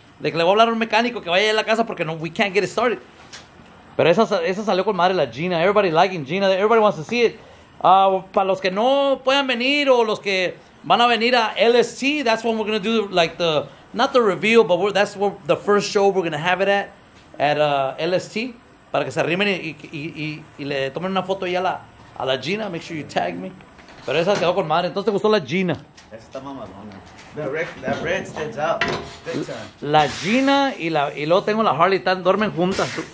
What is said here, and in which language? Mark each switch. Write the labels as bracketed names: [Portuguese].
[Spanish] De que le voy a hablar a un mecánico que vaya a la casa porque no, [English] we can't get it started. [Spanish] Pero esa salió con madre la Gina. [English] Everybody liking Gina. Everybody wants to see it. [Spanish] Para los que no puedan venir o los que van a venir a LST, [English] that's when we're going to do like the, not the reveal, but that's what the first show we're going to have it at LST. [Spanish] Para que se arrimen y le tomen una foto ahí a la Gina. [English] Make sure you tag me. [Spanish] Pero esa quedó con madre. Entonces te gustó la Gina. Esta mamalona. [English] That red stands out. [Spanish] La Gina y luego tengo la Harley. Están, duermen juntas.